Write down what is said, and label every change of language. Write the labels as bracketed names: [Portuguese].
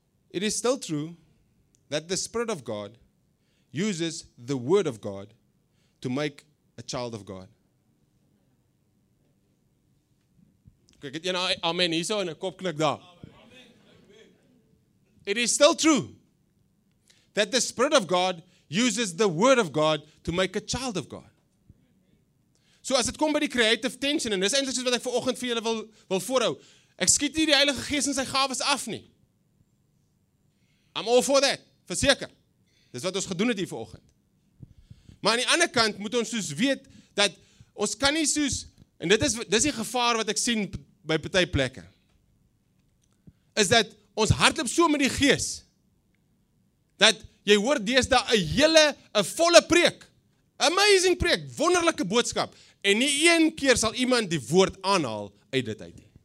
[English] It is still true that the Spirit of God uses the Word of God to make a child of God. [Afrikaans] Ek het een amen hier so en een kopknik daar. [English] It is still true that the Spirit of God uses the Word of God to make a child of God. [Afrikaans] So as dit kom by die creative tension, en dis eintlik wat ek vir oggend vir julle wil voorhou, ek skiet nie die Heilige Gees en sy gawes af nie. [English] I'm all for that, [Afrikaans] verseker. Dis wat ons gedoen het hier vir oggend. Maar aan die ander kant moet ons soos weet, dat ons kan nie soos, en dit is die gevaar wat ek sien by party plekke, is dat ons hardloop so met die Gees, dat jy hoor deesdae een volle preek, amazing preek, wonderlike boodskap, en nie een keer sal iemand die woord aanhaal uit dit uit.